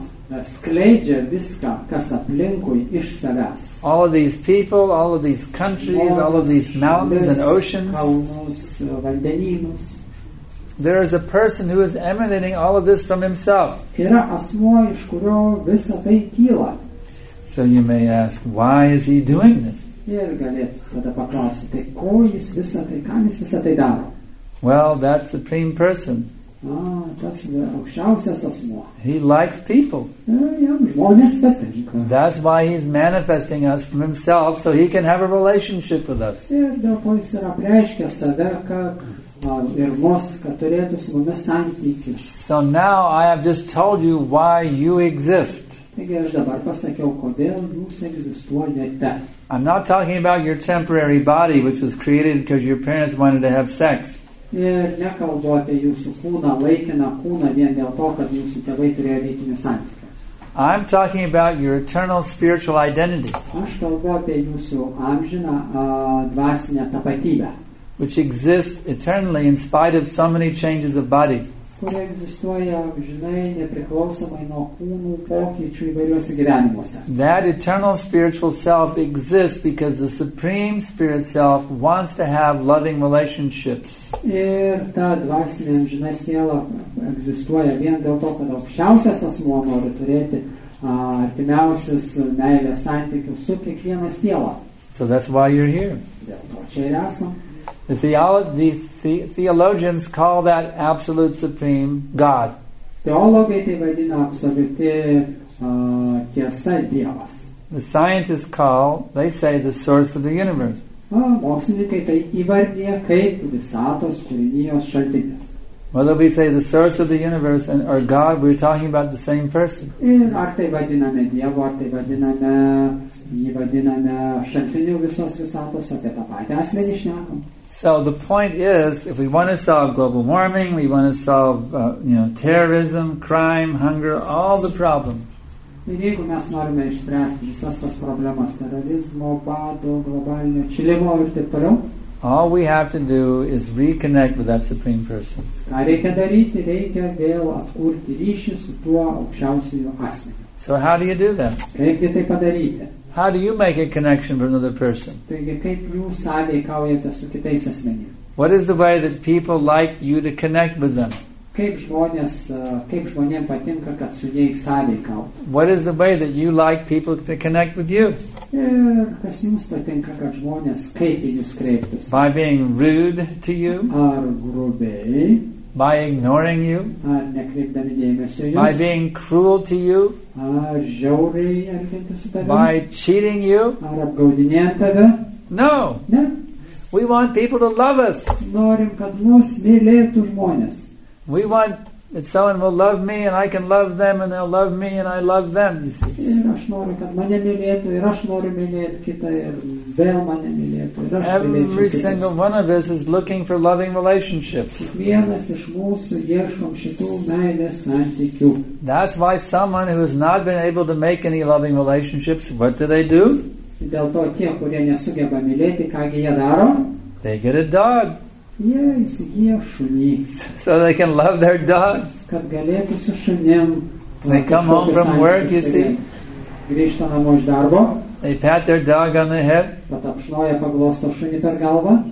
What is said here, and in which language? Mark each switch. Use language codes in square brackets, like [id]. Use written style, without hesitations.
[lt] Skleidžia viską, kas aplinkui iš savęs. [en] All of these people, all of these countries, all of these mountains and oceans. [lt] Kalnus, vandenynus. [en] There is a person who is emanating all of this from himself. [lt] Yra asmuo, iš kurio visa tai kyla. [en] So you may ask, why is he doing this? [lt] Ir galėt tada paklausyti, ko jis visa tai, kam jis visa tai daro. [en] Well, that supreme person. He likes people. That's why he's manifesting us from himself, so he can have a relationship with us. So now I have just told you why you exist. I'm not talking about your temporary body, which was created because your parents wanted to have sex. [lt] Ir nekalbu apie jūsų kūną, laikiną kūną, vien dėl to, kad jūsų tėvai turėjo lytinių santykių. [en] I'm talking about your eternal spiritual identity. [lt] Aš kalbu apie jūsų amžiną dvasinę tapatybę. [en] Which exists eternally in spite of so many changes of body. [lt] Kuri egzistuoja amžinai nepriklausomai nuo kūnų pokyčių įvairiuose gyvenimuose. [en] That eternal spiritual self exists because the supreme spirit self wants to have loving relationships. [lt] Ir ta dvasinė amžina siela egzistuoja vien dėl to, kad aukščiausias asmuo nori turėti artimiausius meilės santykius su kiekviena siela. [en] So that's why you're here. [lt] Dėl to čia ir esam. [en] The theologians call that absolute supreme God. [lt] Teologai tai vadina absoliuti tiesa Dievas. [en] The scientists call, they say, the source of the universe. [lt] Mokslininkai tai įvardyja kaip visatos kūrinijos šaltinis. [en] Whether we say the source of the universe and or God, we're talking about the same person. [lt] Ir ar tai vadiname Dievu, ar tai vadiname šaltiniu visos visatos, apie tą patį asmenį šnekam. [en] So the point is, if we want to solve global warming, we want to solve terrorism, crime, hunger, all the problems. [lt] Ir jeigu mes norime išspręsti visas tas problemas, terorizmo, bado, globalinio atšilimo ir taip toliau, [en] all we have to do is reconnect with that supreme person. [lt] Ką reikia daryti? Reikia vėl atkurti ryšį su tuo aukščiausiu asmeniu. [en] So how do you do that? [lt] Reikia tai padaryti. [en] How do you make a connection with another person? [lt] Taigi, kaip jūs sąveikaujate su kitais asmenimis? [en] What is the way that people like you to connect with them? [lt] Kaip žmonėms patinka, kad su jais sąveikaujate? [en] What is the way that you like people to connect with you? [lt] Ir kas jums patinka, kad žmonės kaip į jūs kreiptųsi? [en] By being rude to you? [lt] Ar grubiai? [en] By ignoring you? [lt] Ar nekreipdami dėmesio jūs? [en] By being cruel to you? [lt] Ar žiauriai elgiantis su tavimi? [en] By cheating you? [lt] Ar apgaudinėjant tave? [en] No. [lt] Ne. [en] We want people to love us. [lt] Norim, kad mus mylėtų žmonės. [en] We want that someone will love me and I can love them and they'll love me and I love them. [lt] Ir aš noriu, kad mane mylėtų, ir aš noriu mylėti kitą, ir vėl mane mylėtų, ir aš mylėčiau kitą. [en] Every single one of us is looking for loving relationships. [lt] Vienas iš mūsų ieškom šitų meilės santykių. [en] That's why someone who has not been able to make any loving relationships, what do? [lt] Dėl to tie, kurie nesugeba mylėti, kągi jie daro? [en] They get a dog. [lt] Jie įsigyja šunį. [en] So they can love their dog. [lt] Kad galėtų su šunim. [en] They come home from work, you see. [lt] Grįžta namo iš darbo. [en] They pat their dog on the head. [lt] Patapšnoja, paglosto šunį per galvą.